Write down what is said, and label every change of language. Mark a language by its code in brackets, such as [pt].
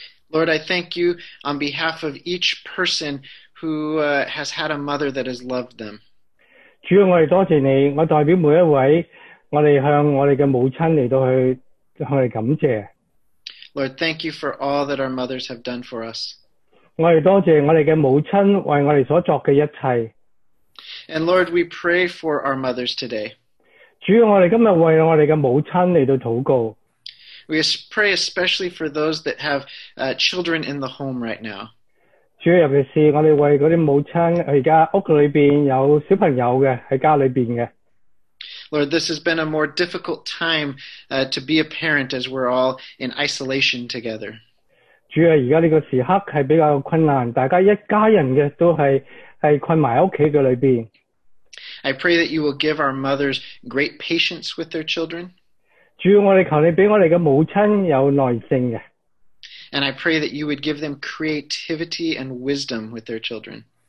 [en] Lord, I thank you on behalf of each person who has had a mother that has loved them. [yue] 主，我哋多谢你，我代表每一位，我哋向我哋嘅母亲嚟到向你感谢。 [en] Lord, thank you for all that our mothers have done for us. [yue] 我哋多谢我哋嘅母亲为我哋所作嘅一切。 [en] And Lord, we pray for our mothers today. [yue] 主，我哋今日为我哋嘅母亲嚟到祷告。 [en] We pray especially for those that have children in the home right now. [yue] 主，尤其是我哋为嗰啲母亲，而家屋里边有小朋友嘅喺家里边嘅。 [en] Lord, this has been a more difficult time to be a parent as we're all in isolation together. [yue] 主啊，而家呢个时刻系比较困难，大家一家人嘅都系困埋屋企嘅里边。 [en] I pray that you will give our mothers great patience with their children. [yue] 主，我哋求你俾我哋嘅母亲有耐性嘅。 [en] And I pray that you would give them creativity and wisdom with their children.